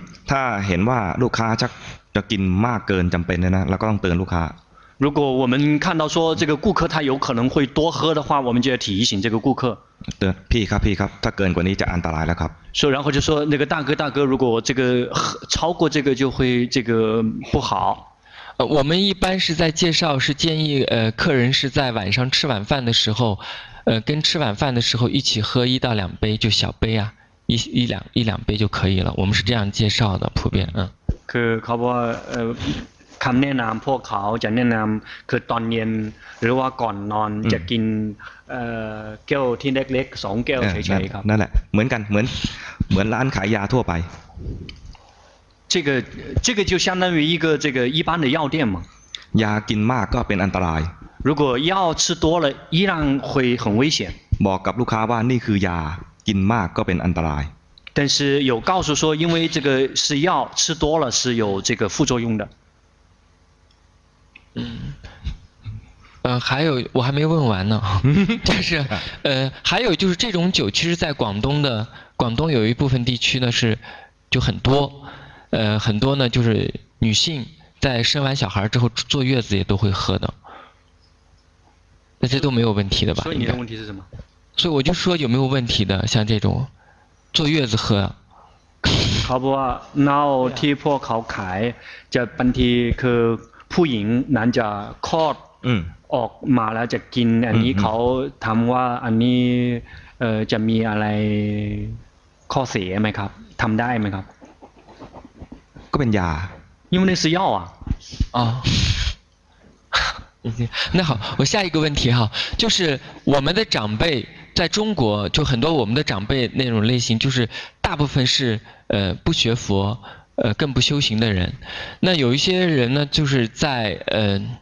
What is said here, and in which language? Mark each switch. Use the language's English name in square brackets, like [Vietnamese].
[Thai] ถ้าเห็นว่าลูกค้าชักจะกินมากเกินจำเป็นนะเราก็ต้องเตือนลูกค้า [Chinese] 如果我们看到说这个顾客他有可能会多喝的话我们就要提醒这个顾客 [Thai] พี่ครับถ้าเกินกว่านี้จะอันตรายแล้วครับ [Chinese] 说然后就说那个大哥如果这个超过这个就会这个不好我们一般是在介绍是建议客人是在晚上吃晚饭的时候跟吃晚饭的时候一起喝一到两杯就小杯啊一两杯就可以了我们是这样介绍的普遍嗯 [Thai] คือเขาบอกคำแนะนำพวกเขาจะแนะนำคือตอนเย็นหรือว่าก่อนนอนจะกินแก้วที่เล็กๆสองแก้วเฉยๆครับ นั่นแหละเหมือนกันเหมือนร้านขายยาทั่วไป [Chinese] 这个就相当于一个这个一般的药店嘛 [Thai] ยากินมากก็เป็นอันตราย [Chinese] 如果药吃多了依然会很危险 [Thai] บอกกับลูกค้าว่านี่คือยากินมากก็เป็นอันตราย [Chinese] 但是有告诉说因为这个是药吃多了是有这个副作用的还有我还没问完呢但是还有就是这种酒其实在广东有一部分地区呢是就很多很多呢就是女性在生完小孩之后坐月子也都会喝的那这都没有问题的吧所以你的问题是什么所以我就说有没有问题的像这种坐月子喝 [Thai] ขอบอกว่าที่พวกเขาขายจะบางทีคือผู้หญิงนั้นจะคลอดออกมาแล้วจะกินอันนี้เขาถามว่าอันนี้จะมีอะไรข้อเสียไหมครับทำได้ไหมครับ ก็เป็นยา [Chinese] 因为那是药啊啊那好我下一个问题哈就是我们的长辈在中国就很多我们的长辈那种类型就是大部分是不学佛更不修行的人那有一些人呢就是在